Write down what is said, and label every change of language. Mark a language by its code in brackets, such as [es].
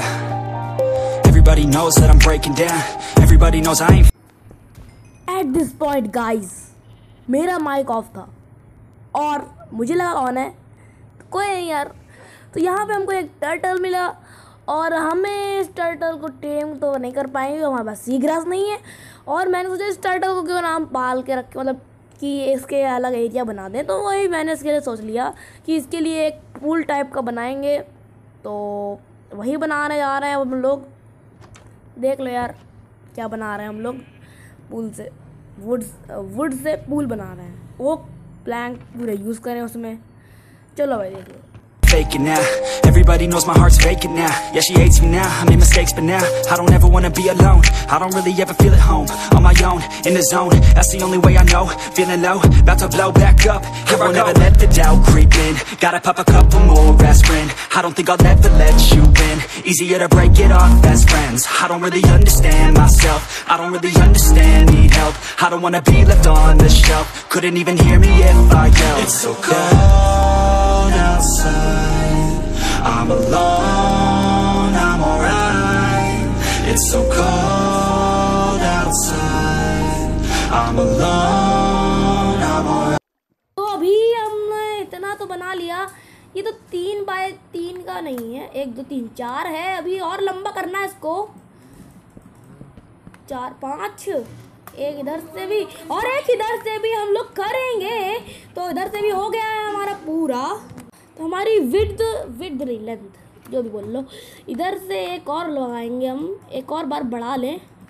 [en] Everybody knows that I'm breaking down. Everybody knows I ain't. At this point, guys, [hi] मेरा mic off था और मुझे लगा on है, कोई नहीं यार। तो यहाँ पे हमको एक टर्टल मिला और हमें इस टर्टल को टेम तो नहीं कर पाएंगे, हमारे पास सी ग्रास नहीं है। और मैंने सोचा इस टर्टल को क्यों ना हम पाल के रखें, मतलब कि इसके अलग एरिया बना दें। तो वही मैंने इसके लिए सोच लिया कि इसके लिए एक पूल टाइप का बनाएंगे, तो वही बनाने जा रहे हैं हम लोग। देख लो यार क्या बना रहे हैं हम लोग, पूल से वुड से पूल बना रहे हैं। वो प्लैंक पूरे यूज करें उसमें। चलो भाई देख लो। [en] Faking now, everybody knows my heart's faking now. Yeah, she hates me now, I made mistakes, but now I don't ever wanna be alone. I don't really ever feel at home, on my own, in the zone. That's the only way I know, feeling low, about to blow back up. Here I won't ever let the doubt creep in. Gotta pop a couple more aspirin. I don't think I'll ever let you in. Easier to break it off best friends. I don't really understand myself, I don't really understand, need help. I don't wanna be left on the shelf, couldn't even hear me if I yelled. It's so cold outside, I'm alone, I'm alright. It's so cold outside, I'm alone, I'm alright. [hi] तो अभी हमने इतना तो बना लिया, ये तो 3x3 का नहीं है, 1, 2, 3, 4 है। अभी और लंबा करना है इसको, 4, 5 एक इधर से भी और एक इधर से भी हम लोग करेंगे। तो इधर से भी हो गया है हमारा पूरा। तो हमारी विड्थ नहीं लेंथ जो भी बोल लो, इधर से एक और लगाएंगे हम, एक और बार बढ़ा लें।